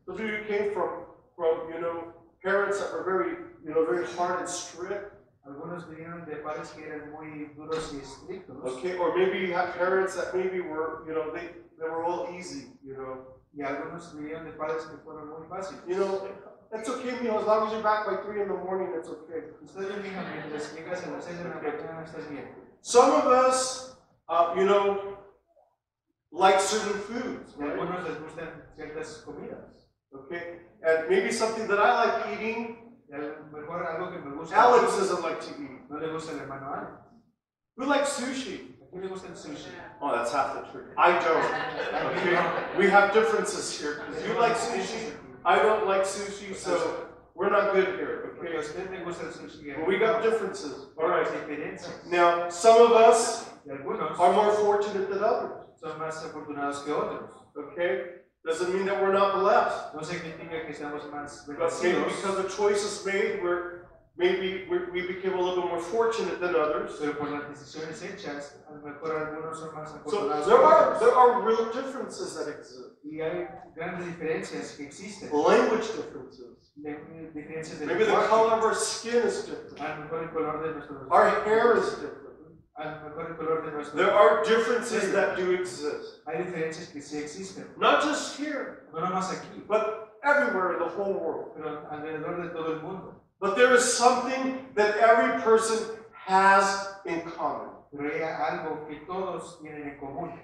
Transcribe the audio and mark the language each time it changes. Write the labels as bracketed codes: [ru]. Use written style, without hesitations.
[en] Some of you came from you know, parents that were very, you know, very hard and strict. [es] Algunos vinieron de padres que eran muy duros y estrictos. [en] Okay, or maybe you have parents that maybe were, you know, they were all easy, you know. [es] Y algunos vinieron de padres que fueron muy fáciles. [en] You know, it's okay, mijo, as long as you're back by 3 a.m, it's okay. [es] Ustedes digan, mientras llegas a las 6 de la mañana, estás bien. [en] Some of us, you know, like certain foods. [es] Y algunos les gustan ciertas comidas. [en] Okay, and maybe something that I like eating, [es] mejor algo que me gusta. [en] Alex doesn't like to eat. [es] No le gusta el hermano Alex. [en] Who likes sushi? [es] ¿A quién le gusta el sushi? [en] Oh, that's half the truth. I don't. Okay. We have differences here. Because you like sushi, I don't like sushi, so we're not good here. Okay. [es] Usted le gusta el sushi. [en] But we got differences. All right. Diferencias. Now, some of us are more fortunate than others. [es] Son más afortunados que otros. [en] Okay. Doesn't mean that we're not blessed. [es] No significa que estamos más bendecidos. [en] But maybe because of choices made, we're Maybe we became a little bit more fortunate than others. [es] Pero por las decisiones hechas, a lo mejor algunos son más afortunados. [en] So there are real differences that exist. [es] Y hay grandes diferencias que existen. [en] Language differences. [es] Diferencias de [en] Maybe [es] lenguaje. [en] The color of our skin is different. [es] A lo mejor el color de nuestro [en] Our hair is different. [es] A lo mejor el color de nuestro [en] There are differences sí. that do exist. [es] Hay diferencias que sí existen. [en] Not just here. [es] No nomás aquí. [en] But everywhere in the whole world. [es] Pero alrededor de todo el mundo. [en] But there is something that every person has in common. [es] Pero hay algo que todos tienen en común.